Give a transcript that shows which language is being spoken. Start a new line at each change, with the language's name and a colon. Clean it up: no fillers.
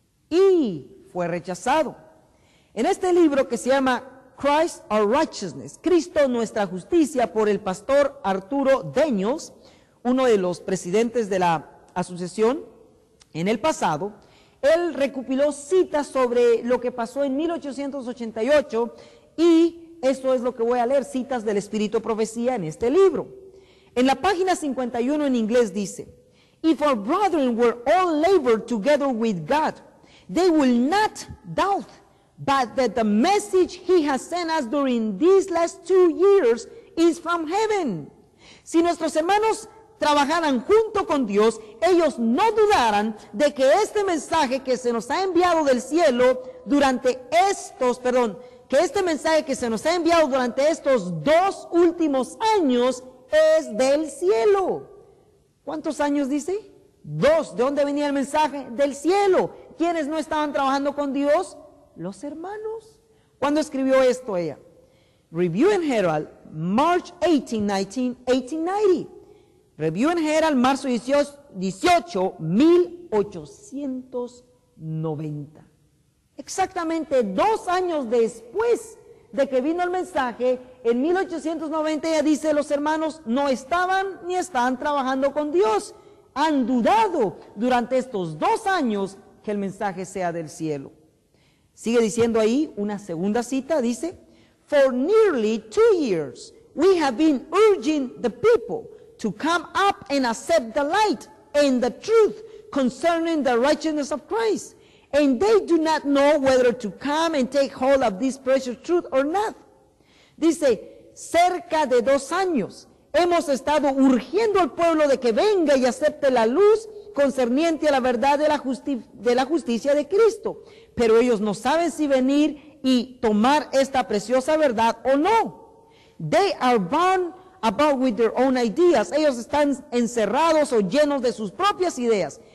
Spanish: Y fue rechazado. En este libro que se llama Christ Our Righteousness, Cristo Nuestra Justicia, por el pastor Arturo Daniels, uno de los presidentes de la asociación en el pasado, él recopiló citas sobre lo que pasó en 1888 y esto es lo que voy a leer, citas del Espíritu Profecía en este libro. En la página 51 en inglés dice:
English: "If our brethren were all labored together with God, they will not doubt but that the message he has sent us during these last 2 years is from heaven."
Spanish: Si nuestros hermanos trabajaran junto con Dios, ellos no dudaran de que este mensaje que se nos ha enviado del cielo durante estos, perdón, que este mensaje que se nos ha enviado durante estos 2 últimos años es del cielo. ¿Cuántos años dice? 2. ¿De dónde venía el mensaje? Del cielo. ¿Quiénes no estaban trabajando con Dios? Los hermanos. ¿Cuándo escribió esto ella? Review and Herald, March 18, 1890. Review and Herald, marzo 18, 1890. Exactamente 2 años después de que vino el mensaje, en 1890, ella dice, los hermanos no estaban ni están trabajando con Dios. Han dudado durante estos 2 años que el mensaje sea del cielo. Sigue diciendo ahí una segunda cita, dice:
English: "For nearly 2 years we have been urging the people to come up and accept the light and the truth concerning the righteousness of Christ, and they do not know whether to come and take hold of this precious truth or not."
Spanish: Dice, cerca de 2 años hemos estado urgiendo al pueblo de que venga y acepte la luz concerniente a la verdad de la justicia de Cristo, pero ellos no saben si venir y tomar esta preciosa verdad o no.
English: They are bound about with their own ideas.
Spanish: Ellos están encerrados o llenos de sus propias ideas.